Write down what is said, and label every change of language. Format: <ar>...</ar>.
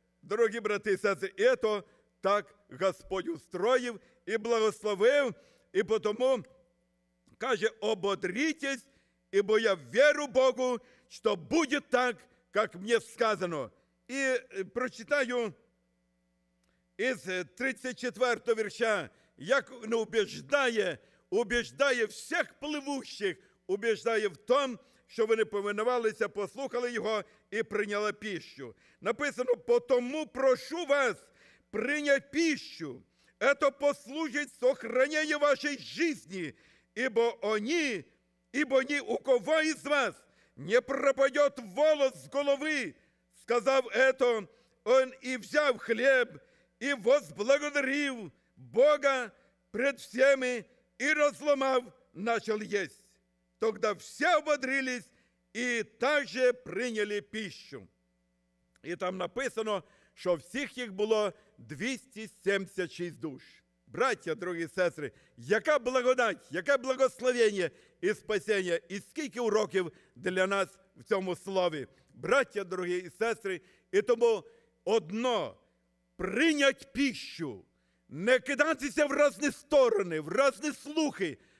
<uk>Дорогі брати і сестри, і це так Господь устроїв і благословив, і потому каже, ободрітесь, ібо я вірю Богу, що буде так, як мені сказано. І прочитаю із 34-го вірша, як він убіждає всіх пливущих, убіждає в тому, що вони повинувалися, послухали його і прийняли пищу.</uk> <ru>Написано, «Потому прошу вас прийняти пищу, это послужить сохранению вашей жизни,</ru> <uk>ібо вони...</uk> <ru>Ибо ни у кого из вас не пропадет волос с головы. Сказав это, он и взяв хлеб, и возблагодарив Бога пред всеми, и разломав, начал есть. Тогда все ободрились и также приняли пищу. И там написано, что всех их было 276 душ.</ru> <uk>Браття, другі сестри, яка благодать, яке благословення і спасіння, і скільки уроків для нас в цьому слові. Браття, другі і сестри, і тому одно – прийняти пищу, не кидатися в різні сторони, в різні слухи,</uk>